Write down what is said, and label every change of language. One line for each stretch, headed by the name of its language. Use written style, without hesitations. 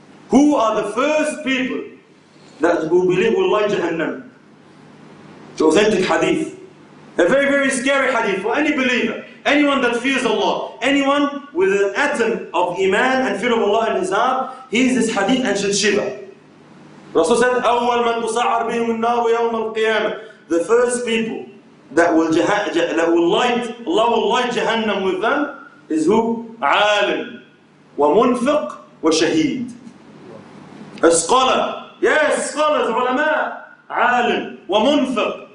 English: Who are the first people that will believe will like Jahannam? The authentic hadith. A very, very scary hadith for any believer, anyone that fears Allah, anyone with an atom of iman and fear of Allah in his heart, hears this hadith and should shiver. Rasul said,
Arabic: أول من تسعر بهم النار يوم القيامة.
English: The first people Allah will light Jahannam with them is who?
Arabic: عالم ومنفق وشهيد.
English: A scholar. Yes, scholars, ulama.
Arabic: عالم ومنفق.